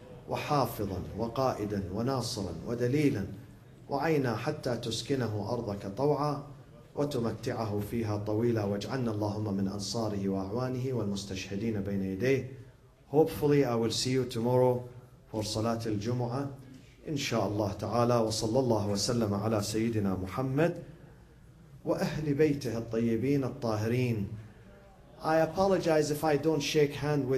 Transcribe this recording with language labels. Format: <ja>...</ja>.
<ar>وحافظا وقائدا وناصرا ودليلا وعينا حتى تسكنه أرضك طوعا وتمتعه فيها طويلا واجعلنا اللهم من أنصاره وأعوانه والمستشهدين بين يديه.</ar> <en>Hopefully I will see you tomorrow for</en> <ar>صلاة الجمعة إن شاء الله تعالى. وصلى الله وسلم على سيدنا محمد وأهل بيته الطيبين الطاهرين.</ar> <en>I apologize if I don't shake hand with</en>